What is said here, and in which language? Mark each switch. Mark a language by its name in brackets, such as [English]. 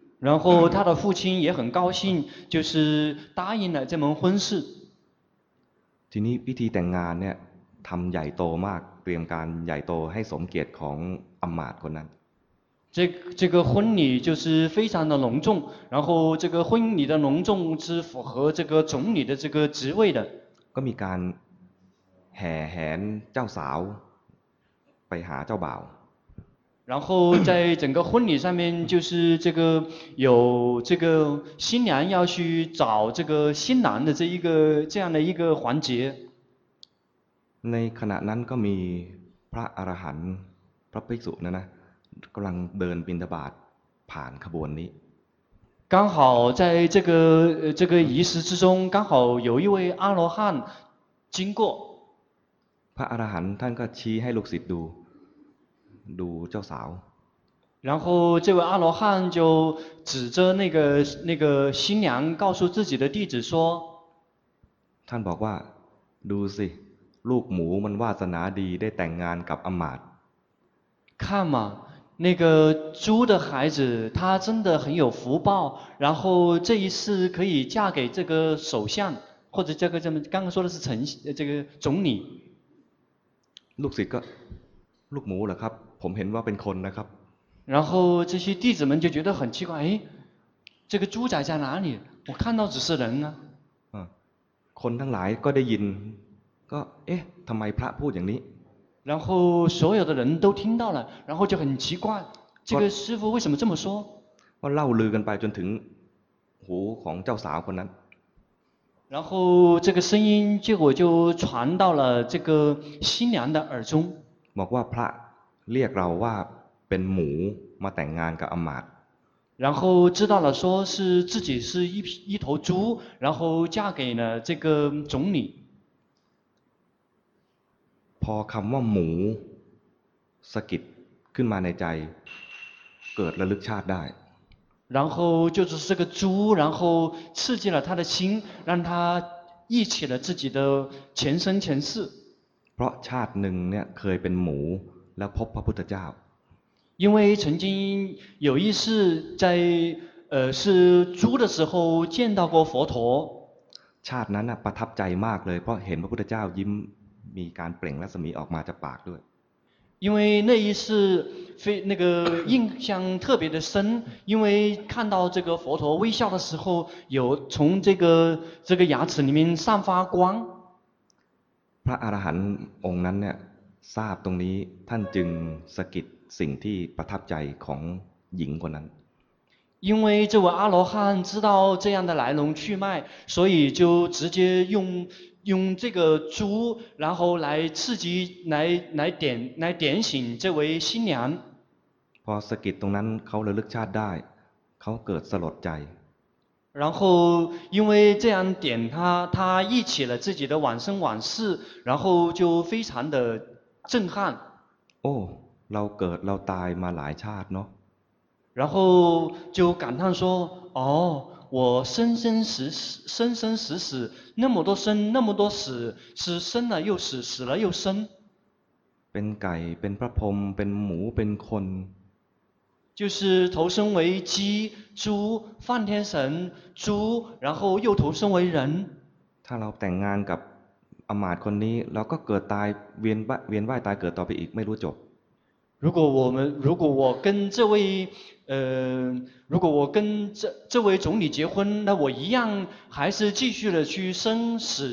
[Chinese] 然后他的父亲也很高兴就是答应了这门婚事 [Thai] ทีนี้พิธีแต่งงานเนี่ยทำใหญ่โตมากเตรียมการใหญ่โตให้สมเกียรติของอำมาตย์คนนั้น [Chinese] 这个婚礼就是非常的隆重然后这个婚礼的隆重是符合这个总理的这个职位的 [Thai] ก็มีการแห่แหนเจ้าสาวไปหาเจ้าบ่าว [Chinese] 然后在整个婚礼上面就是这个有这个新娘要去找这个新郎的这样的一个环节 [Thai] ในขณะนั้นก็มีพระอรหันต์พระภิกษุนะนะกำลังเดินบิณฑบาตผ่านขบวนนี้ [Chinese] 刚好在这个仪式之中刚好有一位阿罗汉经过 [Thai] พระอรหันต์ท่านก็ชี้ให้ลูกศิษย์ดูเจ้าสาว [Chinese] 然后这位阿罗汉就指着那个新娘告诉自己的弟子说 [Thai] ท่านบอกว่าดูสิลูกหมูมันวาสนาดีได้แต่งงานกับอำมาตย์ [Chinese] 看嘛那个猪的孩子他真的很有福报然后这一次可以嫁给这个首相或者这个这么刚刚说的是这个总理 [Thai] ลูกศิษย์ก็ลูกหมูเหรอครับผมเห็นว่าเป็นคนนะครับ [Chinese] 然后这些弟子们就觉得很奇怪这个猪仔在哪里我看到只是人啊 [Thai] คนทั้งหลายก็ได้ยินก็เอ๊ะทำไมพระพูดอย่างนี้ [Chinese] 然后所有的人都听到了然后就很奇怪这个师父为什么这么说 [Thai] ก็เล่าลือกันไปจนถึงหูของเจ้าสาวคนนั้น [Chinese] 然后这个声音结果就传到了这个新娘的耳中 [Thai] บอกว่าพระเรียกเราว่าเป็นหมูมาแต่งงานกับอำมาตย์ [Chinese] 然后知道了说是自己是一头猪然后嫁给了这个总理 [Thai] พอคำว่าหมูสะกิดขึ้นมาในใจเกิดระลึกชาติได้ [Chinese] 然后就是这个猪然后刺激了他的心让他忆起了自己的前生前世 [Thai] พราะชาติหนึ่งเนี่ยเคยเป็นหมูแล้วพบพระพุทธเจ้า [Chinese] 因为曾经有一次在是猪的时候见到过佛陀 [Thai] ชาตินั้นประทับใจมากเลยเพราะเห็นพระพุทธเจ้ายิ้มมีการเปล่งรัศมีออกมาจากปากด้วย [Chinese] 因为那一次非那个印象特别的深因为看到这个佛陀微笑的时候有从这个牙齿里面散发光 [Thai] พระอรหันต์องค์นั้นเนี่ยทราบตรงนี้ท่านจึงสะกิดสิ่งที่ประทับใจของหญิงคนนั้น [Chinese] 因为这位阿罗汉知道这样的来龙去脉所以就直接用这个珠然后来刺激来点醒这位新娘 [Thai] พอสะกิดตรงนั้นเขาระลึกชาติได้เขาเกิดสลดใจ [Chinese] 然后因为这样点他忆起了自己的往生往事然后就非常的震撼 [Thai] โอ้เราเกิดเราตายมาหลายชาติเนาะ [Chinese] 然后就感叹说哦我生生死死生生死死那么多生那么多死是生了又死死了又生 [Thai] เป็นไก่เป็นพระพรหมเป็นหมูเป็นคน [Chinese] 就是投生为鸡猪梵天神猪然后又投生为人 [Thai] ถ้าเราแต่งงานกับอมาตย์คนนี้เราก็เกิดตายเวียนว่ายตายเกิดต่อไปอีกไม่รู้จบ [Chinese] 如果我跟这位如果我跟这位总理结婚那我一样还是继续的去生死